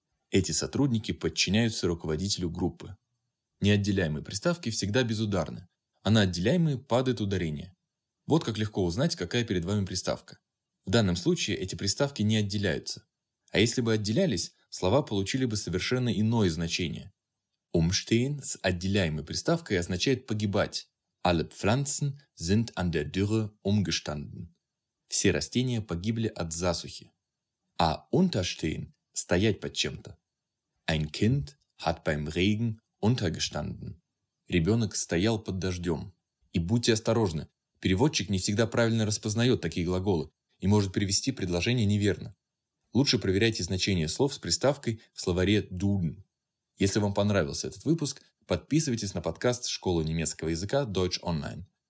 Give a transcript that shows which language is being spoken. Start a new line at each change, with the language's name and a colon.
Russian: Эти сотрудники подчиняются руководителю группы. Неотделяемые приставки всегда безударны, а на отделяемые падает ударение. Вот как легко узнать, какая перед вами приставка. В данном случае эти приставки не отделяются. А если бы отделялись, слова получили бы совершенно иное значение. Umstehen с отделяемой приставкой означает «погибать».
German: Alle Pflanzen sind an der Dürre umgestanden.
Russian: Все растения погибли от засухи. А unterstehen – стоять под чем-то.
German: Ein Kind hat beim Regen untergestanden.
Russian: Ребенок стоял под дождем. И будьте осторожны, переводчик не всегда правильно распознает такие глаголы и может перевести предложение неверно. Лучше проверяйте значение слов с приставкой в словаре Duden. Если вам понравился этот выпуск, подписывайтесь на подкаст «Школа немецкого языка» Deutsch Online.